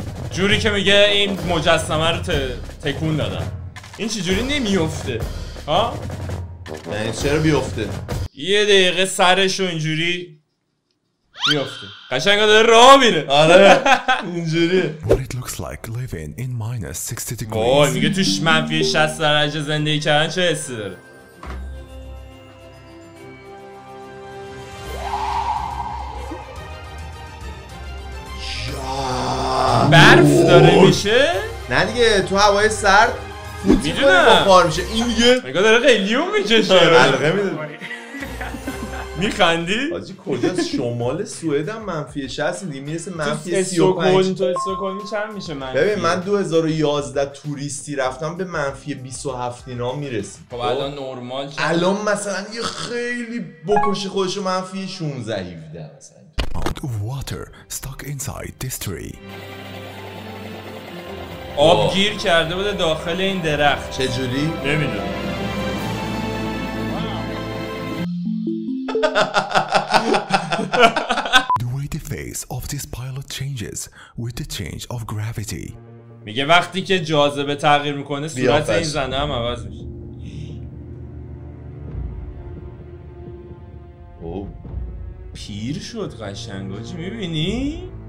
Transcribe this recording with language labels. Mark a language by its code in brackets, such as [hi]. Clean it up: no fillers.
[fa] جوری که میگه این مجسمه رو تکون دادم این چی جوری نمیفته ها؟ یعنی چرا بیفته؟ یه دقیقه سرش رو اینجوری میفته قشنگا داره راه میره آره اینجوری [en] What it looks like living in minus 60 degrees [fa] میگه توش منفی 60 درجه زندگی کردن چه حسی داره برف داره میشه؟ نه دیگه تو هوای سرد فوت میکنه بخار میشه این دیگه نگاه داره قلیون میکشه حلقه میده میخندی؟ آجی کجاست شمال سوئد هم منفی 60 دیگه میرسه منفی 35 تو استکهلم چند میشه منفی؟ ببین من 2011 توریستی رفتم به منفی 27 اینا میرسیم خب الان نرمال چه؟ الان مثلا یه خیلی بکشه خودشو منفی 16 17 مثلا [en] Out of water stuck inside this tree. [fa] آب گیر کرده بوده داخل این درخت. چه جوری؟ نمیدونم. [en] The way the face of this pilot changes with the change of gravity. [fa] میگه وقتی که جاذبه تغییر میکنه صورت این زنه هم عوض میشه. پیر شد قشنگا چی میبینی؟